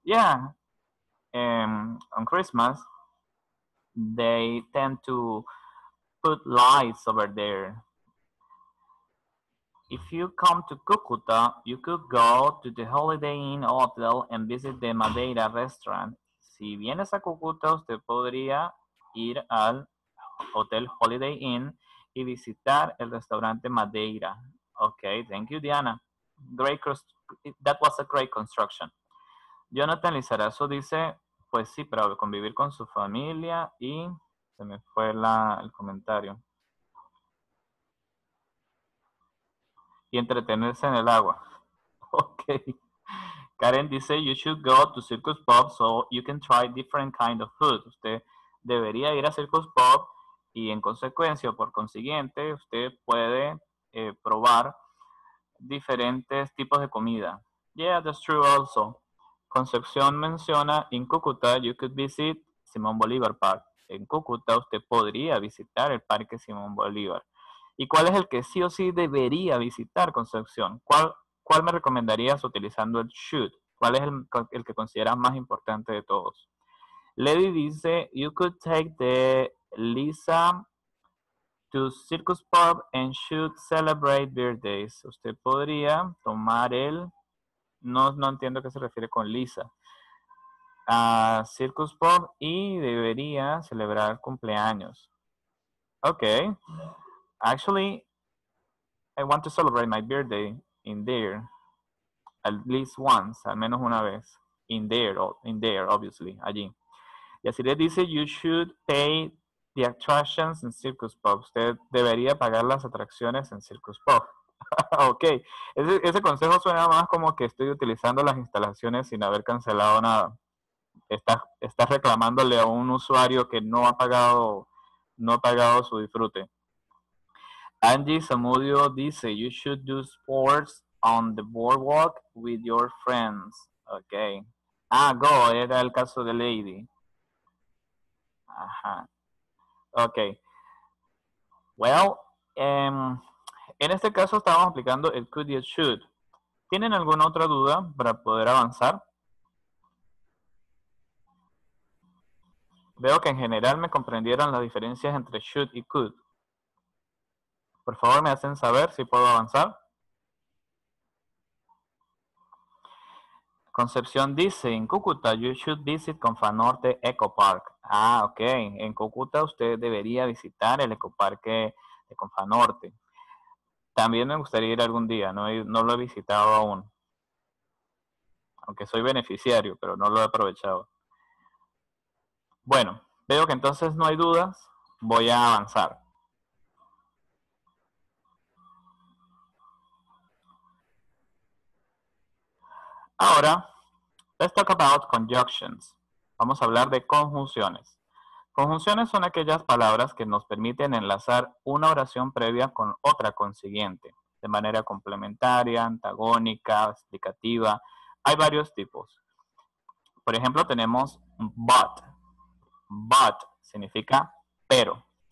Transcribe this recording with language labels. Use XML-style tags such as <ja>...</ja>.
<en>Yeah. On Christmas, they tend to put lights over there. If you come to Cúcuta, you could go to the Holiday Inn Hotel and visit the Madeira restaurant.</en> <es>Si vienes a Cúcuta, usted podría ir al Hotel Holiday Inn y visitar el restaurante Madeira.</es> <en>Okay, thank you, Diana. Great, that was a great construction.</en> <es>Jonathan Lizarazo dice, pues sí, pero convivir con su familia y se me fue el comentario. Y entretenerse en el agua. Okay.</es> <en>Karen dice, you should go to Circus Pub so you can try different kind of food.</en> <es>Usted debería ir a Circus Pub y en consecuencia, por consiguiente, usted puede probar diferentes tipos de comida.</es> <en>Yeah, that's true also. Concepción menciona, in Cúcuta, you could visit Simón Bolívar Park.</en> <es>En Cúcuta, usted podría visitar el Parque Simón Bolívar. ¿Y cuál es el que sí o sí debería visitar, Concepción? ¿Cuál me recomendarías utilizando el should? ¿Cuál es el que consideras más importante de todos?</es> <en>Lady dice, you could take the Lisa to Circus Pub and should celebrate birthdays.</en> <es>Usted podría tomar el... No entiendo a qué se refiere con Lisa. A Circus Pub y debería celebrar cumpleaños. Ok.</es> <en>Actually, I want to celebrate my birthday in there, at least once,</en> <es>al menos una vez,</es> <en>in there, obviously,</en> <es>allí. Y así le dice,</es> <en>you should pay the attractions in Circus Pub.</en> <es>Usted debería pagar las atracciones en Circus Pub. Ok, ese consejo suena más como que estoy utilizando las instalaciones sin haber cancelado nada. Está reclamándole a un usuario que no ha pagado su disfrute.</es> <en>Angie Zamudio dice, you should do sports on the boardwalk with your friends.</en> <es>Okay. Ah, go, era el caso de Lady. Ajá. Okay. Well, en este caso estábamos aplicando el could y el should. ¿Tienen alguna otra duda para poder avanzar? Veo que en general me comprendieron las diferencias entre should y could. Por favor, me hacen saber si puedo avanzar.</es> <en>Concepción dice, in Cúcuta, you should visit Confanorte Eco Park. Ah, ok.</en> <es>En Cúcuta, usted debería visitar el ecoparque de Confanorte. También me gustaría ir algún día. No lo he visitado aún. Aunque soy beneficiario, pero no lo he aprovechado. Bueno, veo que entonces no hay dudas. Voy a avanzar. Ahora,</es> <en>let's talk about conjunctions.</en> <es>Vamos a hablar de conjunciones. Conjunciones son aquellas palabras que nos permiten enlazar una oración previa con otra consiguiente, de manera complementaria, antagónica, explicativa. Hay varios tipos. Por ejemplo, tenemos but. But significa pero.</es>